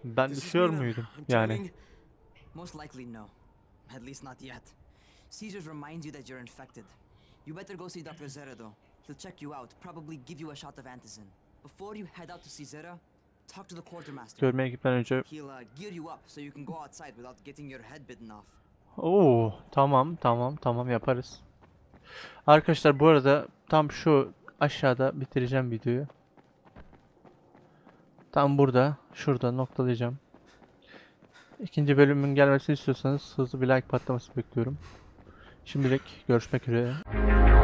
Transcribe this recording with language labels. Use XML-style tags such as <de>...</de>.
<tr>Ben düşüyor muydum yani?</tr> <en>Most likely no. At least not yet. Caesar reminds you that you're infected. You better go see Dr. Zera though. He'll check you out, probably give you a shot of antizin. Before you head out to see Zera, talk to the quartermaster.</en> <tr>Görmeye gitmeden önce.</tr> <en>He'll gear you up so you can go outside without getting your head bitten off.</en> <tr>Oo, tamam, tamam, tamam yaparız. Arkadaşlar bu arada tam şu aşağıda bitireceğim videoyu. Tam burada, şurada noktalayacağım. İkinci bölümün gelmesini istiyorsanız hızlı bir like patlaması bekliyorum. Şimdilik görüşmek üzere.</tr>